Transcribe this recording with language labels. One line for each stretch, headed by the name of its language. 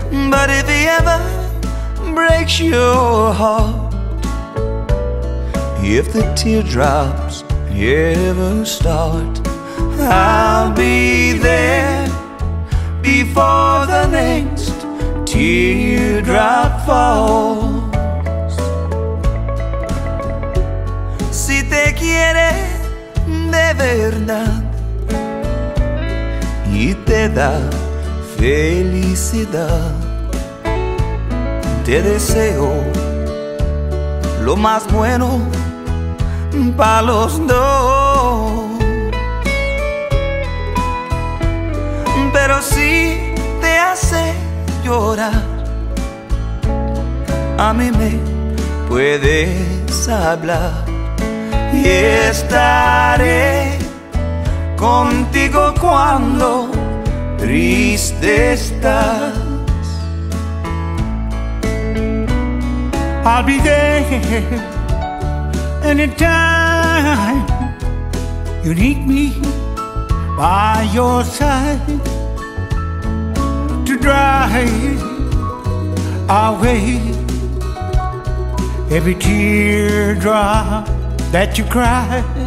English: But if he ever breaks your heart, if the teardrops ever start, I'll be there before the next teardrop falls.
Spanish: Si te quiere de verdad y te da felicidad, te deseo lo más bueno pa' los dos. Pero si te hace llorar, a mí me puedes hablar y estaré contigo cuando triste estás.
English: I'll be there anytime you need me by your side to dry away every teardrop that you cry.